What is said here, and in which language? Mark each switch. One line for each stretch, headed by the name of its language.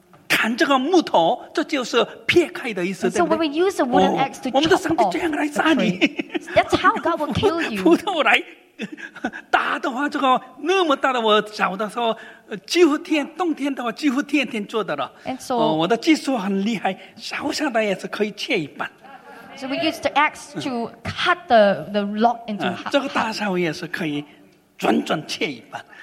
Chinese: 砍这个木头，这就是撇开的意思，对不对？
English: So when we use a wooden axe to chop off a tree, that's how God will kill you.
Chinese: 斧头来打的话，这个那么大的，我小的时候几乎天冬天的话几乎天天做的了。我的技术很厉害，小小的也是可以切一半。
English: So we use the axe to cut the log into half.
Chinese: 这个大小也是可以准准切一半。